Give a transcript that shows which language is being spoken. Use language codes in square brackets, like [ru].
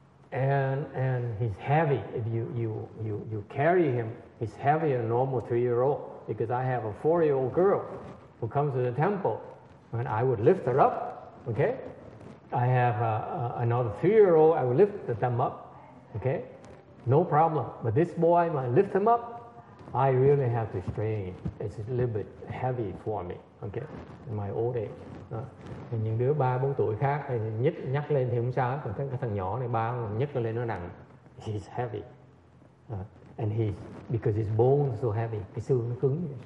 [en] And he's heavy. If you carry him, he's heavier than a normal 3-year-old because I have a 4-year-old girl who comes to the temple and I would lift her up, okay? I have another 3-year-old, I would lift them up, okay? No problem. But this boy, when I lift him up, I really have to strain. It's a little bit heavy for me, okay? In my old age. Đó. [vi] Những đứa 3-4 tuổi khác nhắc lên thì không sao, còn cái thằng nhỏ này 3 nhắc lên nó nặng. [en] He's heavy. And because his bones are so heavy, [vi] cái xương nó cứng.